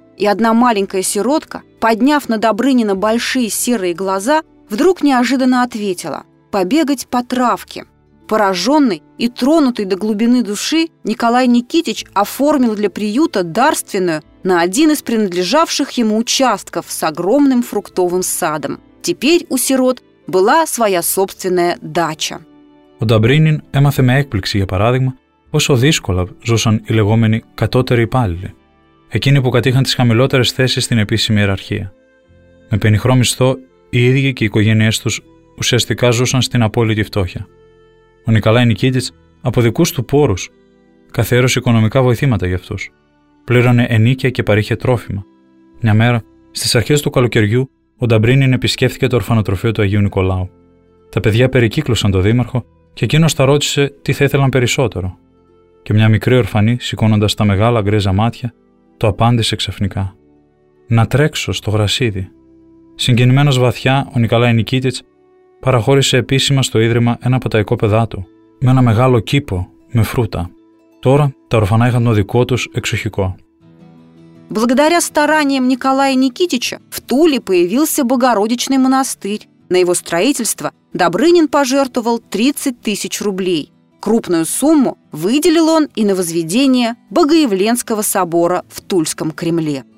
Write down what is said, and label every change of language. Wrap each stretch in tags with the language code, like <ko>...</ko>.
<ru>И одна маленькая сиротка, подняв на Добрынина большие серые глаза, вдруг неожиданно ответила: «Побегать по травке». Пораженный и тронутый до глубины души, Николай Никитич оформил для приюта дарственную на один из принадлежавших ему участков с огромным фруктовым садом. Теперь у сирот была своя собственная дача.</ru> <el>Ο Νταμπρίνιν έμαθε με έκπληξη, για παράδειγμα, πόσο δύσκολα ζούσαν οι λεγόμενοι κατώτεροι υπάλληλοι, εκείνοι που κατήχαν τις χαμηλότερες θέσεις στην επίσημη ιεραρχία. Με πενιχρό μισθό, οι ίδιοι και οι οικογένειές τους ουσιαστικά ζούσαν στην απόλυτη φτώχεια. Ο Νικολάη Νικίτης, από δικούς του πόρους, καθιέρωσε οικονομικά βοηθήματα για αυτούς. Πλήρωνε ενίκια και παρήχε τρόφιμα. Μια μέρα, στις αρχές του καλοκαιριού, ο Νταμπρίνιν επισκέφθηκε το ορφανοτροφείο του Αγίου Νικολάου. Τα παιδιά περικύκλωσαν τον δήμαρχο και εκείνος τα ρώτησε τι θα ήθελαν περισσότερο. Και μια μικρή ορφανή, σηκώνοντας τα μεγάλα γκρίζα μάτια, το απάντησε ξαφνικά: «Να τρέξω στο γρασίδι». Συγκινημένος βαθιά, ο Νικολάη Νικίτης παραχώρησε επίσημα στο ίδρυμα ένα από τα οικόπεδά του, με ένα μεγάλο κήπο με φρούτα. Τώρα τα ορφανά είχαν το δικό τους εξοχικό.</el> <ru>Благодаря стараниям Николая Никитича в Туле появился Богородичный монастырь. На его строительство Добрынин пожертвовал 30 тысяч рублей. Крупную сумму выделил он и на возведение Богоявленского собора в Тульском Кремле.</ru>